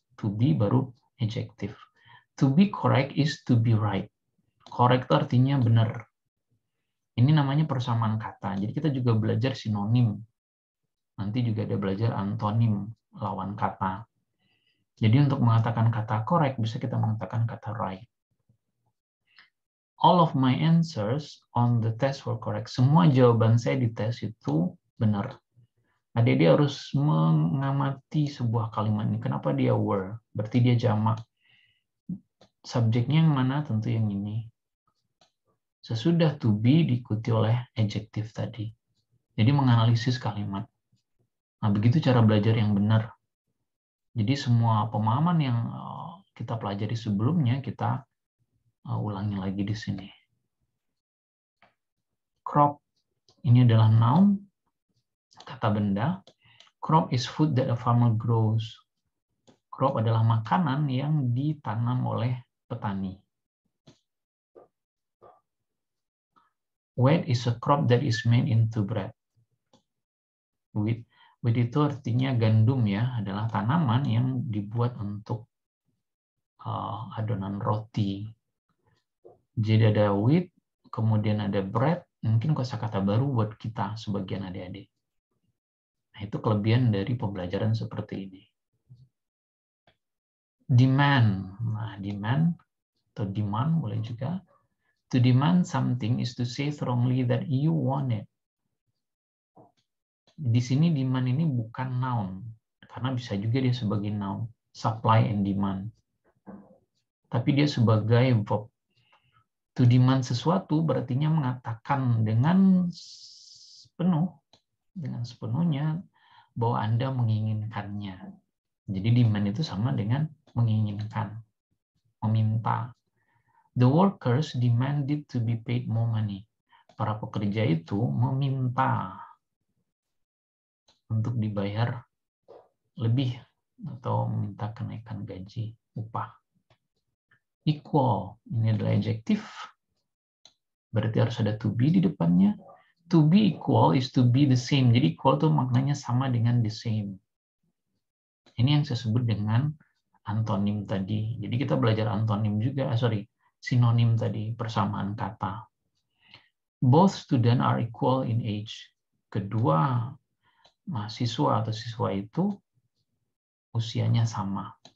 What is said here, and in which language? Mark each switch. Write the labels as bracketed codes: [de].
[en] To be [id] baru adjektif. [en] To be correct is to be right. [id] Correct artinya benar. Ini namanya persamaan kata. Jadi kita juga belajar sinonim. Nanti juga ada belajar antonim, lawan kata. Jadi untuk mengatakan kata correct, bisa kita mengatakan kata right. [en] All of my answers on the test were correct. [id] Semua jawaban saya di tes itu benar. Adik-adik harus mengamati sebuah kalimat ini. Kenapa dia were? Berarti dia jamak. Subjeknya yang mana? Tentu yang ini. Sesudah to be diikuti oleh adjektif tadi. Jadi menganalisis kalimat. Nah, begitu cara belajar yang benar. Jadi semua pemahaman yang kita pelajari sebelumnya, kita ulangi lagi di sini. Crop, ini adalah noun, kata benda. [en] Crop is food that a farmer grows. [id] Crop adalah makanan yang ditanam oleh petani. [en] Wheat is a crop that is made into bread. [id] Wheat itu artinya gandum ya, adalah tanaman yang dibuat untuk adonan roti. Jadi ada wheat, kemudian ada bread, mungkin kosakata baru buat kita sebagian adik-adik. Nah, itu kelebihan dari pembelajaran seperti ini. [en] Demand. [id] Nah, demand atau demand boleh juga. [en] To demand something is to say strongly that you want it. [id] Di sini demand ini bukan noun, karena bisa juga dia sebagai noun, [en] supply and demand. [id] Tapi dia sebagai verb. To demand sesuatu berarti mengatakan dengan penuh, dengan sepenuhnya bahwa Anda menginginkannya. Jadi demand itu sama dengan menginginkan, meminta. [en] The workers demanded to be paid more money. [id] Para pekerja itu meminta untuk dibayar lebih atau meminta kenaikan gaji, upah. Equal, ini adalah adjektif. Berarti harus ada to be di depannya. [en] To be equal is to be the same. [id] Jadi equal itu maknanya sama dengan [en] the same. [id] Ini yang saya sebut dengan antonim tadi. Jadi kita belajar antonim juga, sinonim tadi, persamaan kata. [en] Both student are equal in age. [id] Kedua mahasiswa atau siswa itu usianya sama.